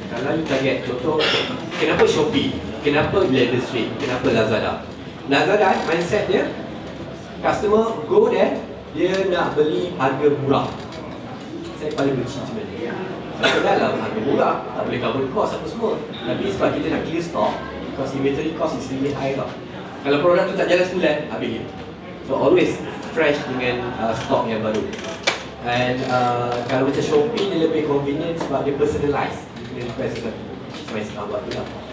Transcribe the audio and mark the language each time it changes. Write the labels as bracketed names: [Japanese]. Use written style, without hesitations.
[Malay] Kalau you target contoh, kenapa Shopee? Kenapa Eleven Street? Kenapa Lazada? Lazada mindset dia, [English] customer go there, [Malay] dia nak beli harga murah. Saya paling benci sebenarnya. Sebab dalam harga murah, tak boleh cover cost apa semua. Tapi sebab kita nak [English] clear stock, because inventory cost is really high lah. [Malay] Kalau produk tu tak jalan sebulan, habis dia. So always fresh dengan stock yang baru. And kalau macam Shopee, dia lebih convenient sebab dia personalized. Dia kena request sebab supaya saya buat tu lah.